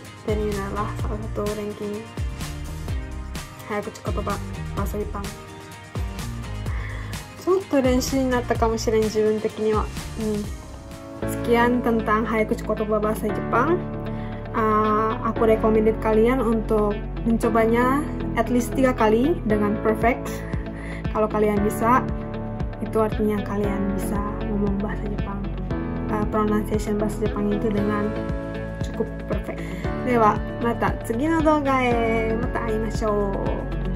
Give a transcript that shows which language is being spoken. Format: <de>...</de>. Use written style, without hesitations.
<id>Terminalah salah satu ranking Hayakucho Kotoba bahasa Jepang. Cukup</id> <ja>renshu になったかもしれん自分的には。</ja> <id>Sekian tentang Hayakucho Kotoba bahasa Jepang. Aku recommended kalian untuk mencobanya</id> <en>at least</en> <id>3 kali dengan perfect. Kalau kalian bisaitu artinya kalian bisa ngomong bahasa Jepang, pronunciation bahasa Jepang itu dengan cukup perfect.</id> <ja>Dewa, mata, 次の動画へ、また会いましょう。</ja>